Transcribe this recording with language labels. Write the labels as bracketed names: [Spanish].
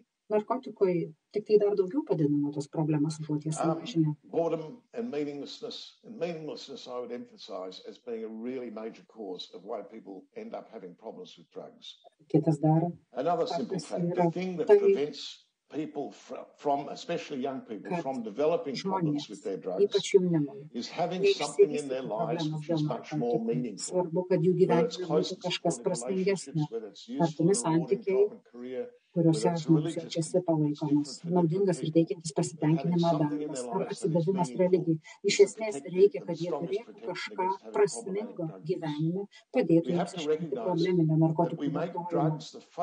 [Lithuanian] narkotikui tik tai dar daugiau padidino tos problemas užuot jas sumažinę. [English] Boredom and meaninglessness I would emphasize as being a really major cause of why people end up having problems with drugs. [Lithuanian] Kitas dar. [English] Another simple fact, the thing that prevents people from, especially young people, from developing problems with their drugs is having something in their lives which is much more meaningful. [Lithuanian] Svarbu, kad jų gyvenime būtų kažkas prasmingesnio, artimi santykiai, kuriuose žmogus jaučiasi palaikomas, naudingas ir teikiantis pasitenkinimo darbas ar atsidavimas religijai. Iš esmės reikia, kad jie turėtų kažką prasmingo gyvenime, padėtų jiems išvengti probleminio narkotikų vartojimo.